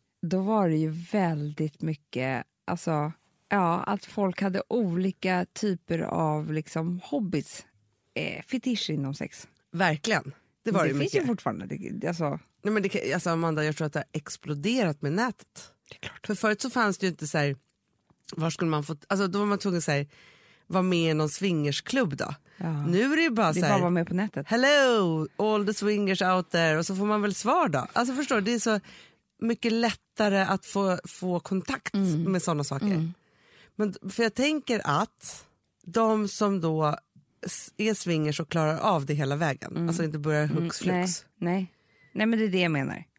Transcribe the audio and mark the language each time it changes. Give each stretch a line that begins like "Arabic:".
Swedish: Då var det ju väldigt mycket, alltså, ja, att folk hade olika typer av liksom hobbies, fetisch inom sex. Verkligen. Det var det ju finns mycket. Ju fortfarande. Alltså. Nej, men det, alltså Amanda, jag tror att det har exploderat med nätet. Det är klart. För förut så fanns det ju inte så här, var skulle man få, alltså då var man tvungen så här, var med i någon swingersklubb då. Ja. Nu är det ju bara så här, det bara vara med på nätet.
English: Hello, all the swingers out there.
Swedish: Och så får man väl svar då. Alltså förstår du, det är så mycket lättare att få kontakt med sådana saker. Mm. Men för jag tänker att de som då är swingers och klarar av det hela vägen. Mm. Alltså inte börjar hux flux. Nej, men det är det jag menar.